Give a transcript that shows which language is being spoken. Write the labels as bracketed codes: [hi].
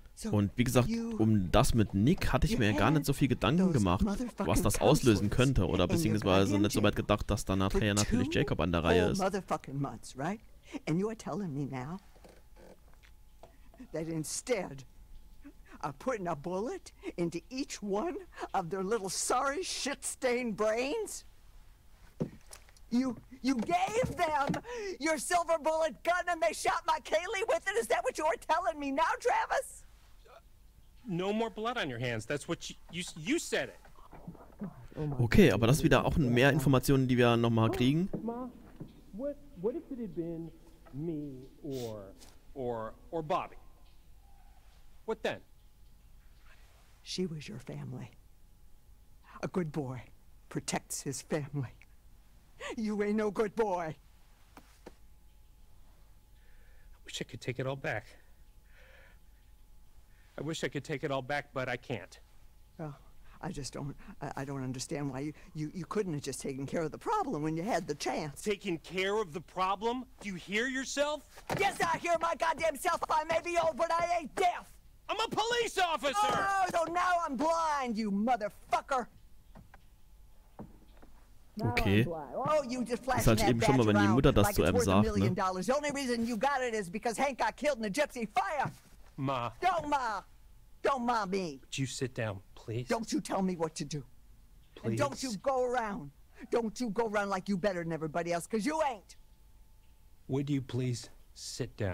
[de] Und wie gesagt, um das mit Nick hatte ich mir ja gar nicht so viel Gedanken gemacht, was das auslösen könnte. Oder beziehungsweise nicht so weit gedacht, dass dann nachher natürlich Jacob an der Reihe ist. [en] Motherfucking months, right? And you are telling me now that instead of putting a bullet into each one of their little sorry shit-stained brains, you gave them your silver bullet gun and they shot my Kaylee with it? Is that what you are telling me now, Travis? No more blood on your hands. That's what you said it. [de] Okay, aber das ist wieder auch mehr Informationen, die wir nochmal kriegen. [en] Ma, what if it had been me or Bobby? What then? She was your family. A good boy protects his family. You ain't no good boy. I wish I could take it all back. I wish I could take it all back, but I can't. Oh, I just don't. I don't understand why you couldn't have just taken care of the problem when you had the chance. Taking care of the problem? Do you hear yourself? Yes, I hear my goddamn self. I may be old, but I ain't deaf. I'm a police officer. Oh, so now I'm blind, you motherfucker. Okay. [de] Ist halt eben schon mal, wenn die Mutter das zu ihm sagt, ne? [en] The only reason you got it is because Hank got killed in the gypsy fire. Ma. Don't ma. Don't ma me. Would you sit down, please? Don't you tell me what to do. Please. And don't you go around. Don't you go around like you better than everybody else, because you ain't. Would you please sit down?